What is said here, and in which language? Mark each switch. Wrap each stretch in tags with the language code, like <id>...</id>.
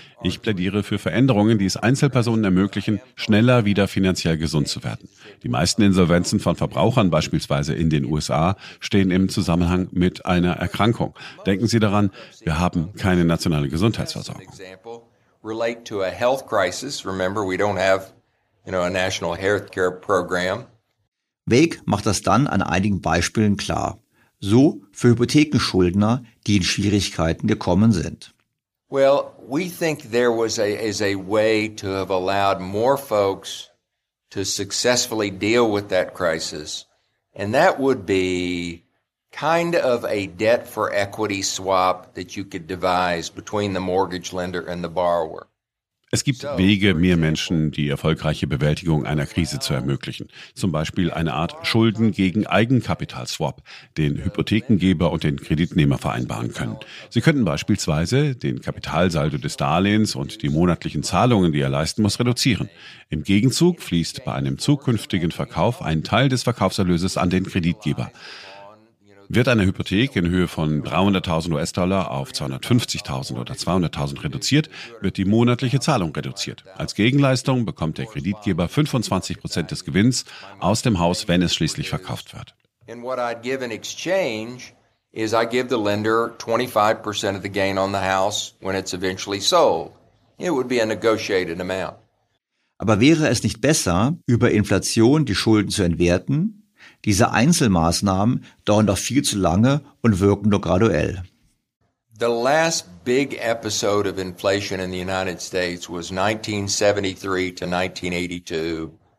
<de>Ich plädiere für Veränderungen, die es Einzelpersonen ermöglichen, schneller wieder finanziell gesund zu werden. Die meisten Insolvenzen von Verbrauchern beispielsweise in den USA stehen im Zusammenhang mit einer Erkrankung. Denken Sie daran, wir haben keine nationale Gesundheitsversorgung.</de> <en>Relate to a health crisis. Remember, we don't have, a national healthcare program.</en> <de>Waig macht das dann an einigen Beispielen klar. So für Hypothekenschuldner, die in Schwierigkeiten gekommen sind.</de> <en>Well, we think there was a way to have allowed more folks to successfully deal with that crisis, and that would be kind of a debt for equity swap that you could devise between the mortgage lender and the borrower.</en> <de>Es gibt Wege, mehr Menschen die erfolgreiche Bewältigung einer Krise zu ermöglichen. Zum Beispiel eine Art Schulden gegen Eigenkapital-Swap, den Hypothekengeber und den Kreditnehmer vereinbaren können. Sie könnten beispielsweise den Kapitalsaldo des Darlehens und die monatlichen Zahlungen, die er leisten muss, reduzieren. Im Gegenzug fließt bei einem zukünftigen Verkauf ein Teil des Verkaufserlöses an den Kreditgeber. Wird eine Hypothek in Höhe von 300.000 US-Dollar auf 250.000 oder 200.000 reduziert, wird die monatliche Zahlung reduziert. Als Gegenleistung bekommt der Kreditgeber 25% des Gewinns aus dem Haus, wenn es schließlich verkauft wird.</de> <en>And what I'd give in exchange is I give the lender 25% of the gain on the house when it's eventually sold. It would be a negotiated amount.</en> <de>Aber wäre es nicht besser, über Inflation die Schulden zu entwerten? Diese Einzelmaßnahmen dauern doch viel zu lange und wirken nur graduell.</de> <en>The last big episode of inflation in the United States was 1973 to 1982.</en>